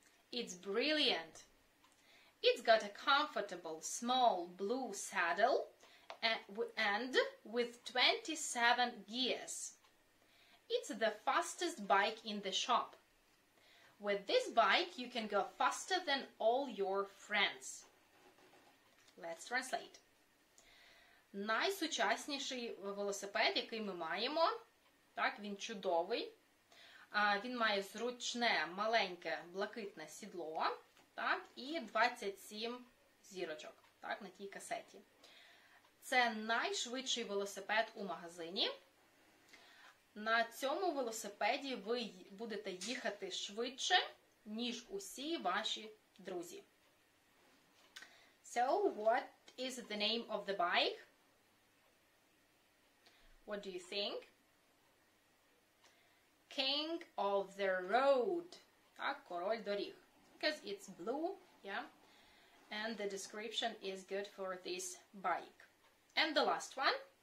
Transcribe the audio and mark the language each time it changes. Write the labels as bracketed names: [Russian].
[English] It's brilliant. It's got a comfortable small blue saddle and with 27 gears. It's the fastest bike in the shop. With this bike, you can go faster than all your friends. Let's translate. [Ukrainian] Найсучасніший велосипед, який ми маємо. Так, він чудовий. Він має зручне, маленьке, блакитне сідло. Так, і 27 зірочок, так, на тій касеті. Це найшвидший велосипед у магазині. На цьому велосипеді ви будете їхати швидше, ніж усі ваші друзі. [English] So, what is the name of the bike? What do you think? King of the road. [Ukrainian] Так, король доріг. [English] Because it's blue, yeah. And the description is good for this bike. And the last one.